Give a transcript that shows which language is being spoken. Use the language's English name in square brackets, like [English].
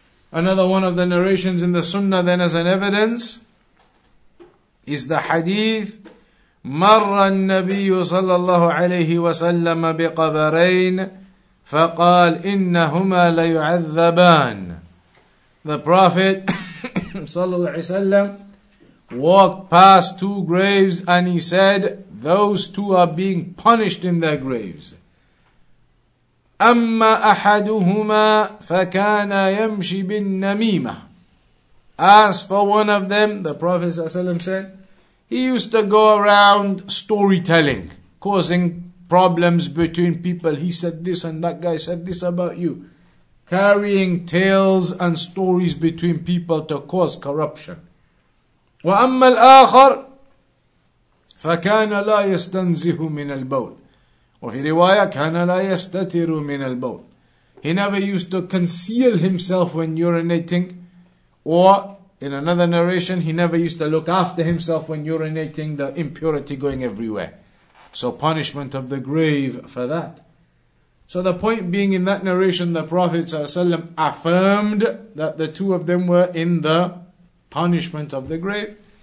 [English] Another one of the narrations in the Sunnah then as an evidence is the hadith, [Arabic] مَرَّ النَّبِيُّ صَلَّى اللَّهُ عَلَيْهِ وَسَلَّمَ بِقَبَرَيْنِ فَقَالْ إِنَّهُمَا لَيُعَذَّبَانِ. [English] The Prophet sallallahu alayhi wa sallam walked past two graves and he said, those two are being punished in their graves. [Arabic] أما أحدهما فكان يمشي بالنميمة. [English] As for one of them, the Prophet ﷺ said, he used to go around storytelling, causing problems between people. He said this and that guy said this about you, carrying tales and stories between people to cause corruption. [Arabic] وأما الآخر فكان لا يستنزه من البول. وفي رواية كان لا يستتر من البول. [English] He never used to conceal himself when urinating. Or, in another narration, he never used to look after himself when urinating, the impurity going everywhere. So punishment of the grave for that. So the point being, in that narration, the Prophet ﷺ affirmed that the two of them were in the punishment of the grave.